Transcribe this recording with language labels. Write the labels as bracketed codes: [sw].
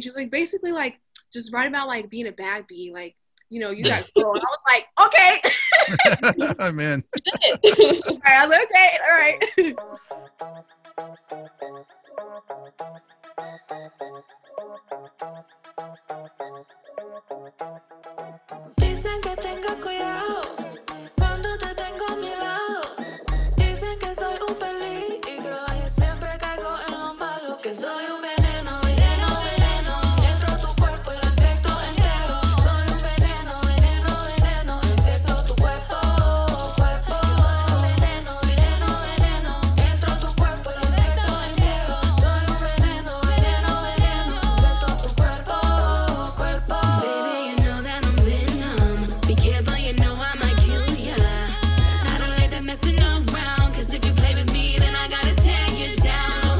[en] She's like, basically like just write about like being a bad bee, like, you know, you got girl. And I was like, okay. I'm in. All right, I was like, okay, all right. [es] Dicen que tenga cuidado cuando te tengo a mi lado. Dicen que soy un peligro y siempre caigo en lo malo. Que soy un veneno, veneno, veneno. Entro tu cuerpo y lo infecto entero. Soy un veneno, veneno, veneno. Infecto tu cuerpo, cuerpo. Soy un veneno, veneno, veneno. Entro tu cuerpo y lo infecto entero. Soy un veneno, veneno, veneno. Infecto tu cuerpo, cuerpo. [en] Baby, you know that I'm venom. Be careful, you know I might kill ya. I don't like that messing around, cause if you play with me, then I gotta take it down.